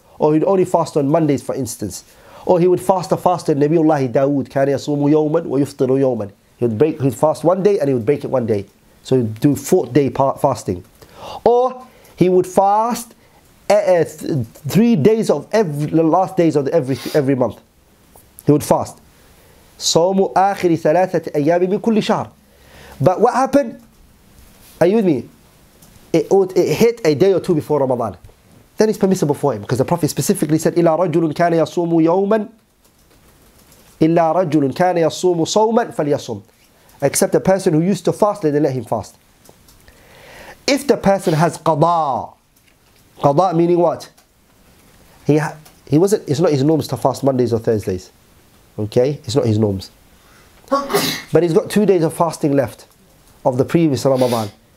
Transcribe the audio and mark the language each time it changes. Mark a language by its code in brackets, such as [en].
[en] Or he'd only fast on Mondays, for instance. Or he would fast a fast on Nabiullah Dawood, [ar] كان يصوم يوما ويفطر يوما. [en] He'd fast one day and he would break it one day. So he'd do 4 day fasting. Or he would fast 3 days of every month. He would fast. [ar] صوم آخر ثلاثة أيام من كل شهر. [en] But what happened? Are you with me? It hit a day or two before Ramadan. Then it's permissible for him because the Prophet specifically said, [ar] إلا رجل كان يصوم يوما. إلا رجل كان يصوم صوما فليصوم. [en] Except the person who used to fast, then let him fast. If the person has قضاء. قضاء meaning what? It's not his norms to fast Mondays or Thursdays. Okay, it's not his norms. But he's got 2 days of fasting left of the previous Ramadan.